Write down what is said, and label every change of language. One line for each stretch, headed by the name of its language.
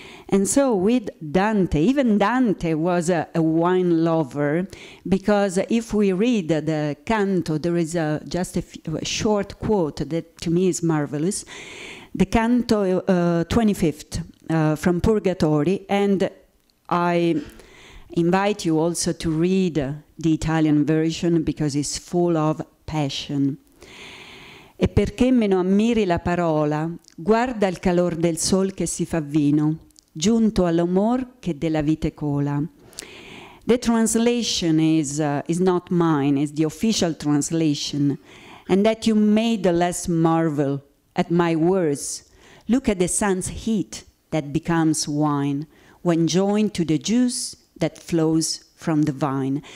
English: And so with Dante, even Dante was a wine lover, because if we read the canto, there is a short quote that to me is marvelous. The canto 25th from Purgatory, and I invite you also to read the Italian version because it's full of passion.
Italian: E perché meno ammiri la parola, guarda il calor del sol che si fa vino, giunto all'amor che della vite cola.
English: The translation is not mine, it's the official translation. And that you may the less marvel at my words, look at the sun's heat that becomes wine when joined to the juice that flows from the vine.